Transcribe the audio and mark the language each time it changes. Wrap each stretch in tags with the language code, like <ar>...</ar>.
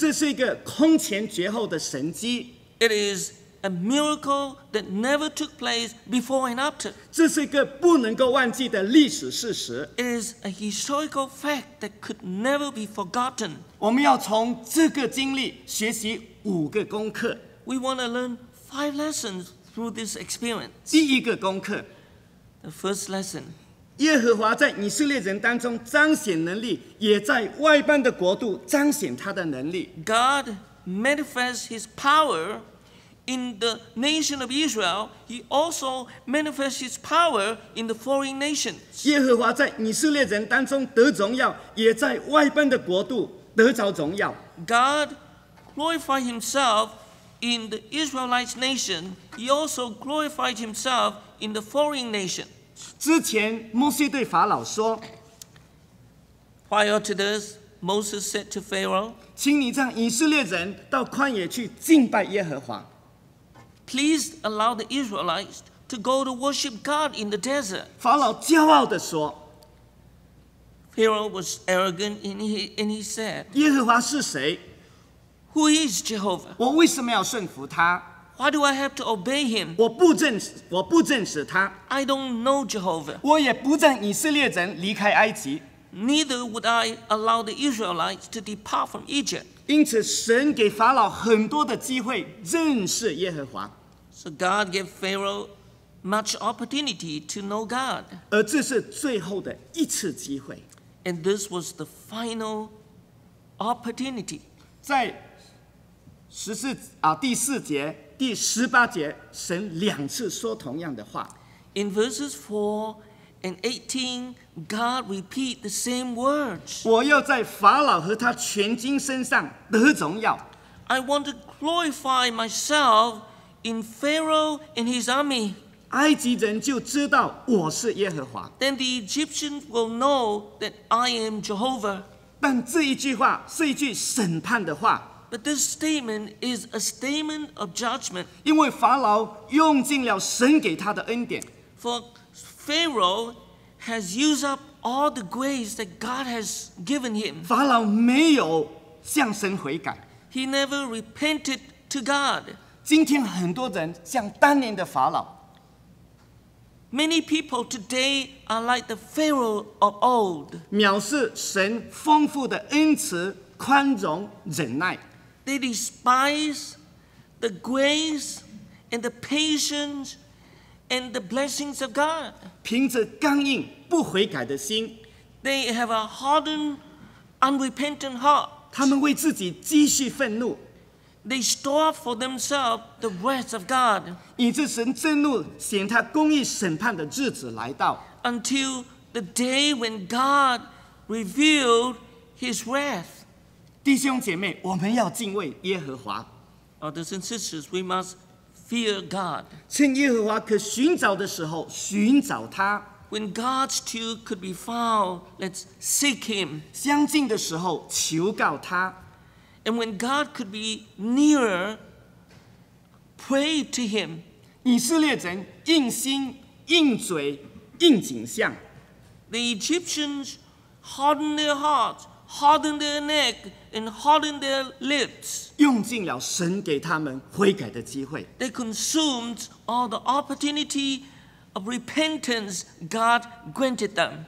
<zh>这是一个空前绝后的神迹。</zh> <en>It is a miracle that never took place before and after.</en> <zh>这是一个不能够忘记的历史事实。</zh> <en>It is a historical fact that could never be forgotten.</en> <zh>我们要从这个经历学习五个功课。</zh> <en>We want to learn five lessons through this experience.</en> <zh>第一个功课。</zh> <en>The first lesson.</en> <zh>耶和华在以色列人当中彰显能力，也在外邦的国度彰显他的能力。</zh> <en>God manifests his power in the nation of Israel, he also manifests his power in the foreign nations.</en> <zh>耶和华在以色列人当中得荣耀，也在外邦的国度得着荣耀。</zh> <en>God glorified himself in the Israelite nation, he also glorified himself in the foreign nation.</en> <zh>之前摩西对法老说，</zh> <en>Prior to this, Moses said to Pharaoh,</en> <zh>请你让以色列人到旷野去敬拜耶和华。</zh> <en>Please allow the Israelites to go to worship God in the desert.</en> <zh>法老骄傲地说。</zh> <en>Pharaoh was arrogant and he said,</en> <zh>耶和华是谁？</zh> <en>Who is Jehovah?</en> <zh>我为什么要顺服他？</zh> <en>Why do I have to obey him?</en> <zh>我不认识他。</zh> <en>I don't know Jehovah.</en> <zh>我也不让以色列人离开埃及。</zh> <en>Neither would I allow the Israelites to depart from Egypt.</en> <zh>因此神给法老很多的机会认识耶和华。</zh> <en>So God gave Pharaoh much opportunity to know God.</en> <zh>而这是最后的一次机会。</zh> <en>And this was the final opportunity.</en> <zh>在第四节、第十八节，神两次说同样的话。</zh> <en>In verses 4, And 18, God repeat the same words.</en> <zh>我要在法老和他全军身上得荣耀。</zh> <en>I want to glorify myself in Pharaoh and his army.</en> <zh>埃及人就知道我是耶和华。</zh> <en>Then the Egyptians will know that I am Jehovah.</en> <zh>但这一句话是一句审判的话。</zh> <en>But this statement is a statement of judgment.</en> <zh>因为法老用尽了神给他的恩典。</zh> <en>Pharaoh has used up all the grace that God has given him.</en> <zh>法老没有向神悔改。</zh> <en>He never repented to God.</en> <zh>今天很多人像当年的法老。</zh> <en>Many people today are like the Pharaoh of old.</en> <zh>藐视神丰富的恩慈、宽容、忍耐。</zh> <en>They despise the grace and the patience and the blessings of God.</en> <zh>凭着刚硬不悔改的心。</zh> <en>They have a hardened, unrepentant heart.</en> <zh>他们为自己积蓄愤怒。</zh> <en>They store for themselves the wrath of God.</en> <zh>以致神震怒，显他公义审判的日子来到。</zh> <en>Until the day when God revealed His wrath.</en> <zh>弟兄姐妹，我们要敬畏耶和华。</zh> <en>Brothers and sisters, we must fear God.</en> <zh>趁耶和华可寻找的时候，寻找他。</zh> <en>When God still could be found, let's seek Him.</en> <zh>相近的时候，求告他。</zh> <en>And when God could be nearer, pray to Him.</en> <zh>以色列人硬心、硬嘴、硬颈项。</zh> <en>The Egyptians hardened their hearts, hardened their neck, and hardened their lips.</en> <zh>用尽了神给他们悔改的机会。</zh> <en>They consumed all the opportunity of repentance God granted them.</en>